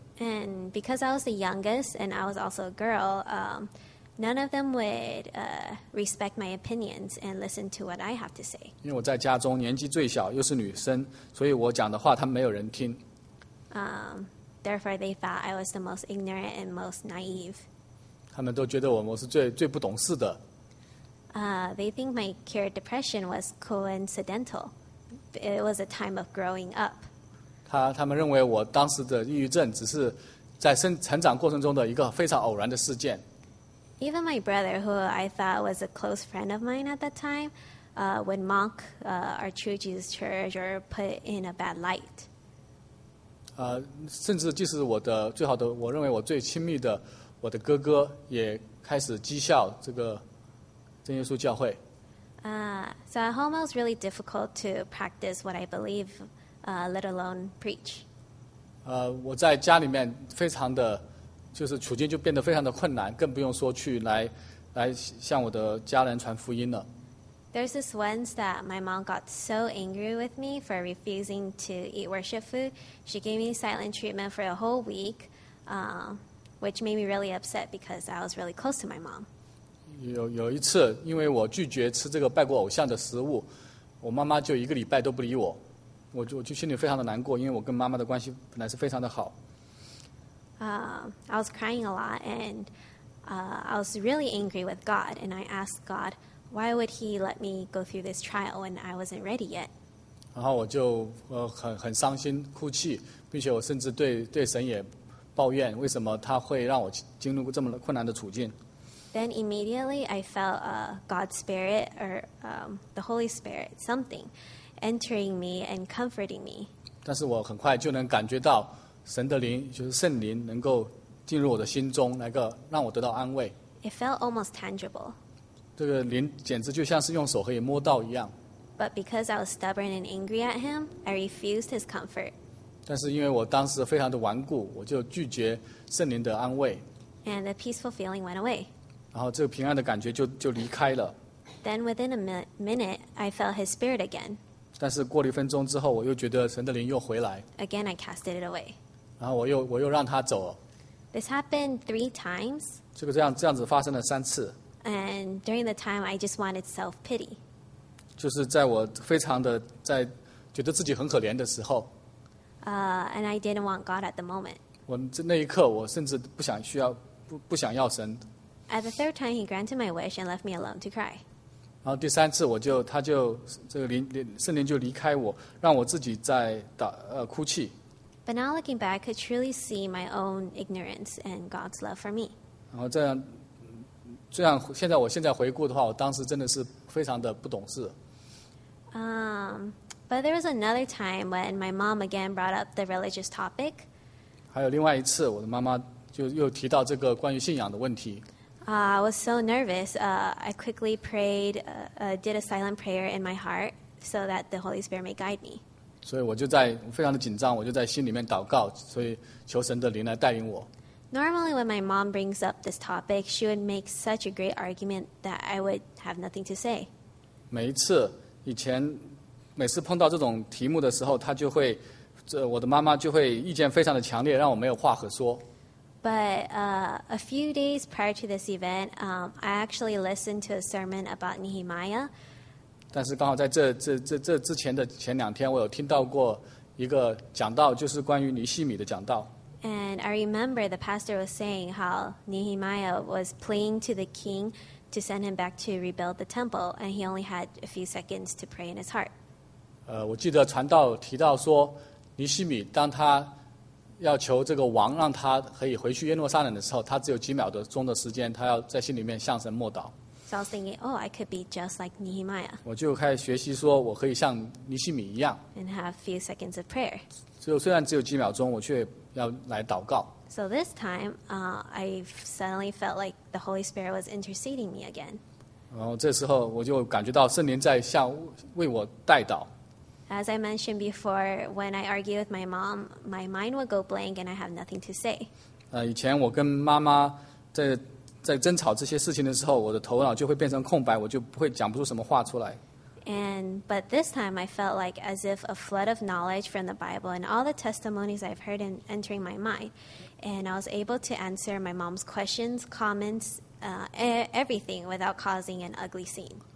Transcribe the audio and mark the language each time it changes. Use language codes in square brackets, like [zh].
[en] And because I was the youngest and I was also a girl, none of them would respect my opinions and listen to what I have to say. [zh] 因为我在家中年纪最小，又是女生，所以我讲的话他们没有人听。 [en] Therefore, they thought I was the most ignorant and most naive. [zh] 他们都觉得我是最不懂事的。 [en] They think my cured depression was coincidental. It was a time of growing up. [zh] 他们认为我当时的抑郁症只是在成长过程中的一个非常偶然的事件。 [en] Even my brother, who I thought was a close friend of mine at that time, would mock our True Jesus Church or put in a bad light. [zh] 甚至即使我认为我最亲密的我的哥哥也开始讥笑这个真耶稣教会。 [en] So at home, it was really difficult to practice what I believe. Let alone preach. [zh] 我在家里面非常的，就是处境就变得非常的困难，更不用说去来向我的家人传福音了。 [en] There's this once that my mom got so angry with me for refusing to eat worship food. She gave me silent treatment for a whole week, which made me really upset because I was really close to my mom. [zh] 有一次，因为我拒绝吃这个拜过偶像的食物，我妈妈就一个礼拜都不理我。我就心里非常的难过，因为我跟妈妈的关系本来是非常的好。 [en] I was crying a lot, and I was really angry with God, and I asked God, why would he let me go through this trial when I wasn't ready yet? [zh] 然后我就很伤心哭泣，并且我甚至对神也抱怨，为什么他会让我经历这么困难的处境。 [en] Then immediately I felt God's spirit or the Holy Spirit something entering me and comforting me. [zh] 但是我很快就能感觉到神的灵，就是圣灵能够进入我的心中，来个让我得到安慰。 [en] It felt almost tangible. [zh] 这个灵简直就像是用手可以摸到一样。 [en] But because I was stubborn and angry at him, I refused his comfort. [zh] 但是因为我当时非常的顽固，我就拒绝圣灵的安慰。 [en] And the peaceful feeling went away. [zh] 然后这个平安的感觉就离开了。 [en] Then within a minute, I felt his spirit again. [zh] 但是过了一分钟之后，我又觉得神的灵又回来。 [en] Again, I casted it away. [zh] 然后我又让他走了。 [en] This happened 3 times. [zh] 这样子发生了3次。 [en] And during the time, I just wanted self-pity. [zh] 就是在我非常的在觉得自己很可怜的时候 [en] and I didn't want God at the moment. [zh] 我那一刻我甚至不想需要 不想要神。 [en] At the third time, he granted my wish and left me alone to cry. [zh] 然后第三次我就他就这个圣灵就离开我，让我自己在哭泣。 [en] But now looking back, I could truly see my own ignorance and God's love for me. [zh] 然后这样现在回顾的话，我当时真的是非常的不懂事。 [en] But there was another time when my mom again brought up the religious topic. [zh] 还有另外一次，我的妈妈就又提到这个关于信仰的问题。 [en] I was so nervous. I quickly prayed, did a silent prayer in my heart so that the Holy Spirit may guide me. [zh] 所以我就在非常的紧张，我就在心里面祷告，所以求神的灵来带领我。 [en] Normally, when my mom brings up this topic, she would make such a great argument that I would have nothing to say. [zh] 每一次以前每次碰到这种题目的时候，她就会，这我的妈妈就会意见非常的强烈，让我没有话可说。 [en] But a few days prior to this event, I actually listened to a sermon about Nehemiah. [zh] 但是刚好在这之前的前两天，我有听到过一个讲道，就是关于尼希米的讲道。 [en] And I remember the pastor was saying how Nehemiah was pleading to the king to send him back to rebuild the temple, and he only had a few seconds to pray in his heart. [zh] 我记得传道提到说，尼希米当他要求这个王让他可以回去耶路撒冷的时候，他只有几秒钟的时间，他要在心里面向神默祷。 [en] So I was thinking, oh, I could be just like Nehemiah. [zh] 我就开始学习说，我可以像尼希米一样。 [en] And have a few seconds of prayer. [zh] 虽然只有几秒钟，我却要来祷告。 [en] So this time, I suddenly felt like the Holy Spirit was interceding me again. [zh] 然后这时候我就感觉到圣灵在向为我代祷。 [en] As I mentioned before, when I argue with my mom, my mind would go blank and I have nothing to say. [zh] 以前我跟妈妈在争吵这些事情的时候，我的头脑就会变成空白，我就不会讲不出什么话出来。 [en] But this time I felt like as if a flood of knowledge from the Bible and all the testimonies I've heard in entering my mind, and I was able to answer my mom's questions, comments, everything without causing an ugly scene.